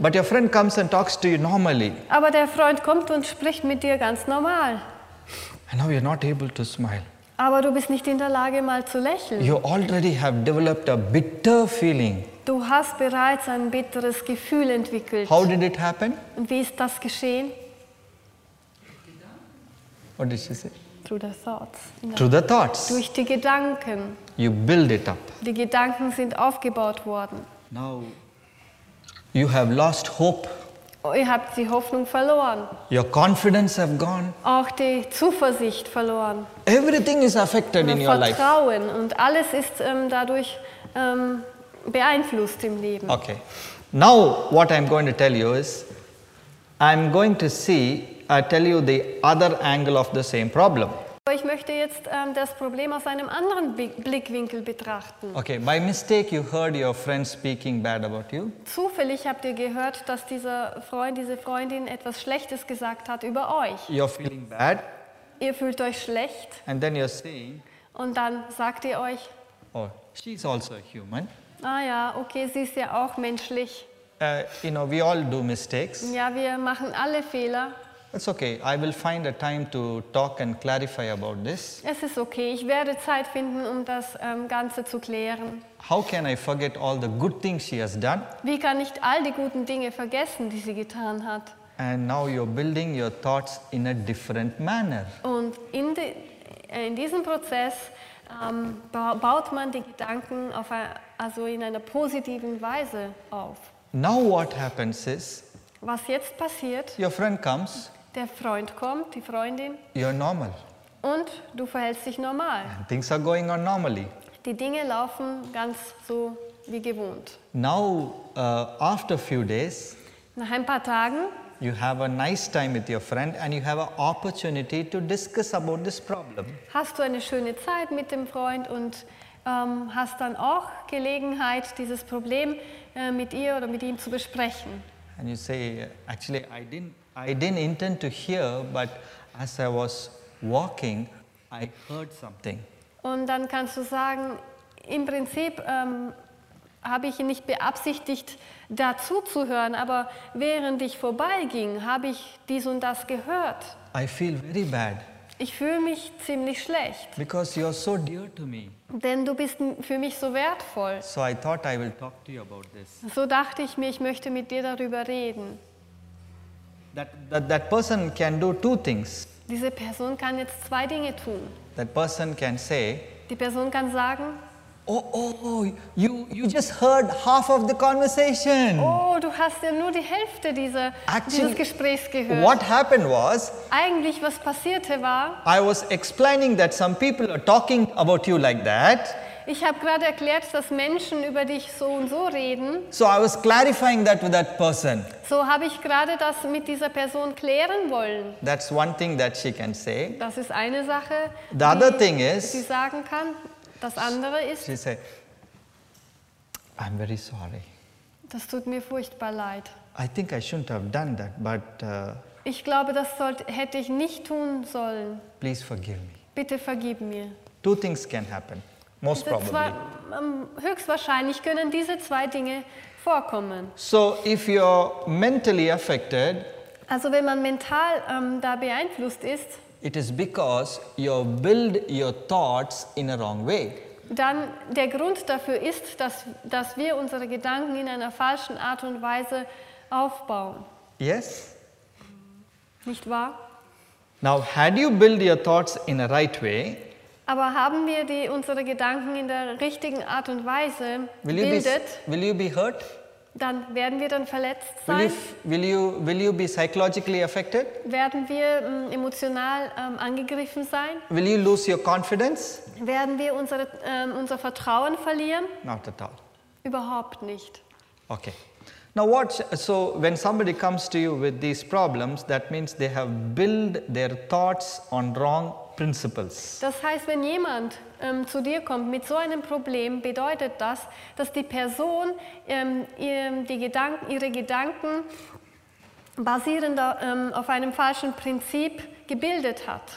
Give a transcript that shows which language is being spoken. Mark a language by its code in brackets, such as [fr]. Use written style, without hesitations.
[en] But your friend comes and talks to you normally. [de] Aber der Freund kommt und spricht mit dir ganz normal. [en] And now you're not able to smile. [de] Aber du bist nicht in der Lage, mal zu lächeln. [en] You already have developed a bitter feeling. [de] Du hast bereits ein bitteres Gefühl entwickelt. [en] How did it happen? [de] Und wie ist das geschehen? [en] What did she say? Through the thoughts. Through the thoughts. [de] Durch die Gedanken. [en] You build it up. [de] Die Gedanken sind aufgebaut worden. [en] Now you have lost hope. [de] Ihr habt die Hoffnung verloren. [en] Your confidence have gone. [de] Auch die Zuversicht verloren. [en] Everything is affected in your life. [de] Vertrauen und alles ist dadurch beeinflusst im Leben. [en] Okay. Now what I'm going to tell you is, I'm going to see, I tell you the other angle of the same problem. [de] Ich möchte jetzt das Problem aus einem anderen Blickwinkel betrachten. [en] Okay, by mistake you heard your friend speaking bad about you. [de] Zufällig habt ihr gehört, dass dieser Freund, diese Freundin etwas Schlechtes gesagt hat über euch. [en] You're feeling bad. [de] Ihr fühlt euch schlecht. [en] And then you're saying. [de] Und dann sagt ihr euch. [en] Oh, she's also human. [de] Ah ja, okay, sie ist ja auch menschlich. [en] You know, we all do mistakes. [de] Ja, wir machen alle Fehler. [en] It's okay. I will find a time to talk and clarify about this. [de] Es ist okay. Ich werde Zeit finden, um das Ganze zu klären. [en] How can I forget all the good things she has done? [de] Wie kann ich all die guten Dinge vergessen, die sie getan hat? [en] And now you're building your thoughts in a different manner. [de] Und in diesem Prozess baut man die Gedanken in einer positiven Weise auf. [en] Now what happens is? [de] Was jetzt passiert? [en] Your friend comes. [de] Der Freund kommt, die Freundin. [en] You're normal. [de] Und du verhältst dich normal. [en] And things are going on normally. [de] Die Dinge laufen ganz so wie gewohnt. [en] Now, after a few days, [de] nach ein paar Tagen, [en] you have a nice time with your friend and you have an opportunity to discuss about this problem. [de] Hast du eine schöne Zeit mit dem Freund und hast dann auch Gelegenheit, dieses Problem mit ihr oder mit ihm zu besprechen. [en] And you say, actually, I didn't intend to hear, but as I was walking, I heard something. [de] Und dann kannst du sagen, im Prinzip habe ich nicht beabsichtigt, dazu zu hören, aber während ich vorbeiging, habe ich dies und das gehört. [en] I feel very bad. [de] Ich fühle mich ziemlich schlecht. [en] Because you are so dear to me. [de] Denn du bist für mich so wertvoll. [en] So I thought I will talk to you about this. [de] So dachte ich mir, ich möchte mit dir darüber reden. [en] That person can do two things. [de] Diese Person kann jetzt zwei Dinge tun. [en] That person can say. [de] Die Person kann sagen. [en] Oh, you just heard half of the conversation. [de] Oh, du hast ja nur die Hälfte dieses Gesprächs gehört. [en] What happened was. [de] Eigentlich was passierte war. [en] I was explaining that some people are talking about you like that. [de] Ich habe gerade erklärt, dass Menschen über dich so und so reden. [en] So I was clarifying that with that person. [de] So habe ich gerade das mit dieser Person klären wollen. [en] That's one thing that she can say. [de] Das ist eine Sache. [en] The other thing is. [de] Sie sagen kann. Das andere ist. [en] She said, I'm very sorry. [de] Das tut mir furchtbar leid. [en] I think I shouldn't have done that, but. [de] Ich glaube, das hätte ich nicht tun sollen. [en] Please forgive me. [de] Bitte vergib mir. [en] Two things can happen. Most probably. [de] Höchstwahrscheinlich können diese zwei Dinge vorkommen. [en] So, if you're mentally affected, [de] also wenn man mental da beeinflusst ist, [en] it is because you build your thoughts in a wrong way. [de] Dann der Grund dafür ist, dass wir unsere Gedanken in einer falschen Art und Weise aufbauen. [en] Yes. [de] Nicht wahr? [en] Now, had you built your thoughts in a right way? [de] Aber haben wir die, unsere Gedanken in der richtigen Art und Weise gebildet? [en] Will you be hurt? [de] Dann werden wir dann verletzt sein. [en] Will you be psychologically affected? [de] Werden wir emotional angegriffen sein? [en] Will you lose your confidence? [de] Werden wir unser Vertrauen verlieren? [en] Not at all. [de] Überhaupt nicht. [en] Okay. Now watch. So when somebody comes to you with these problems, that means they have built their thoughts on wrong principles. [de] Das heißt, wenn jemand zu dir kommt mit so einem Problem, bedeutet das, dass die Person ihre Gedanken basierend auf einem falschen Prinzip gebildet hat.